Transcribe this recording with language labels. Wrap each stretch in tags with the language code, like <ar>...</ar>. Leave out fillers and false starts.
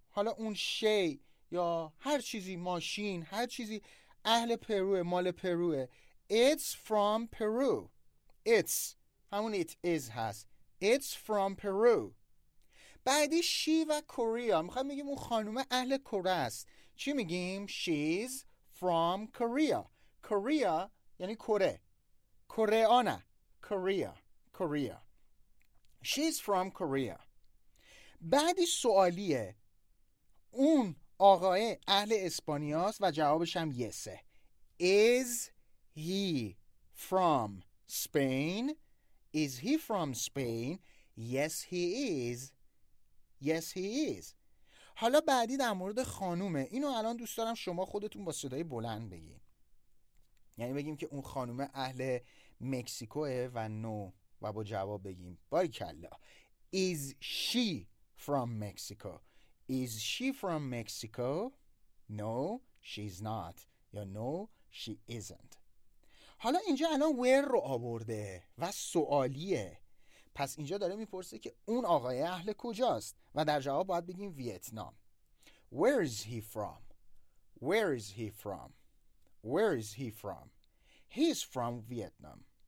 <fa>حالا اون شی یا هر چیزی، ماشین، هر چیزی اهل پروه، مال پروه.</fa> <en>It's from Peru. It's.</en> <fa>همون</fa> <en>it is</en> <fa>هست.</fa> <en>It's from Peru.</en> <fa>بعدی شی و کوریا. میخوایم بگیم اون خانومه اهل کره است. چی میگیم؟</fa> <en>She's from Korea.</en> <fa>Korea یعنی کره.</fa> <en>کوریانه. Korea. Korea. She's from Korea.</en> <fa>بعدی سوالیه. اون آقایه اهل اسپانیاست و جوابش هم یسه.</fa> <en>Is he from Spain? Is he from Spain? Yes, he is. Yes, he is.</en> <fa>حالا بعدی در مورد خانومه. اینو الان دوست دارم شما خودتون با صدای بلند بگین. یعنی بگیم که اون خانومه اهل مکسیکوه و نو و با جواب بگیم. باریکلا.</fa> <en>Is she from Mexico? Is she from Mexico? No, she's not.</en> <fa>یا</fa> <en>no, she isn't.</en> <fa>حالا اینجا الان where رو آورده و سوالیه. پس اینجا داره میپرسه که اون آقای اهل کجاست و در جواب باید بگیم ویتنام.</fa> <en>Where is he from?</en> <fa>Where is he from?</fa> <en>Where is he from? He's from Vietnam.</en>